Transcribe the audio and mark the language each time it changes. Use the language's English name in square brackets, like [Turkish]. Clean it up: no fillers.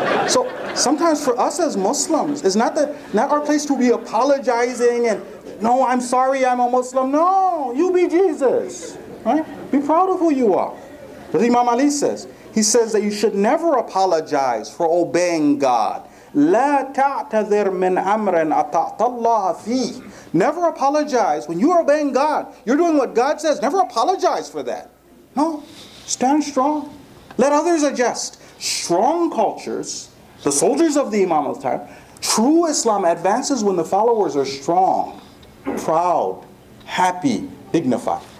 [English] So sometimes for us as Muslims, it's not our place to be apologizing and, no, I'm sorry, I'm a Muslim. No, you be Jesus. Right? Be proud of who you are. But Imam Ali says that you should never apologize for obeying God. [Arabic] لا تعتذر من أمر أطعت الله فيه. [English] Never apologize when you are obeying God. You're doing what God says. Never apologize for that. No, stand strong. Let others adjust. Strong cultures, the soldiers of the Imam al-Tayyib, true Islam advances when the followers are strong, proud, happy, dignified.